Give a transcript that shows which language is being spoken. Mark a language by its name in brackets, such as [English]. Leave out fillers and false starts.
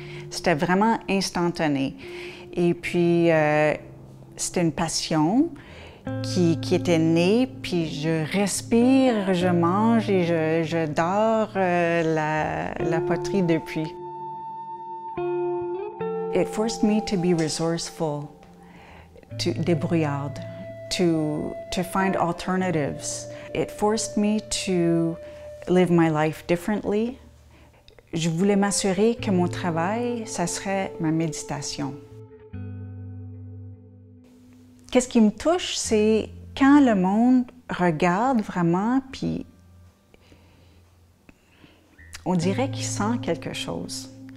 [French] C'était vraiment instantané. Et puis, c'était une passion qui était née. Puis je respire, je mange et je dors la poterie depuis. [English] It forced me to be resourceful, to débrouillard, to find alternatives. It forced me to live my life differently. [French] Je voulais m'assurer que mon travail, ça serait ma méditation. Qu'est-ce qui me touche, c'est quand le monde regarde vraiment, puis on dirait qu'il sent quelque chose.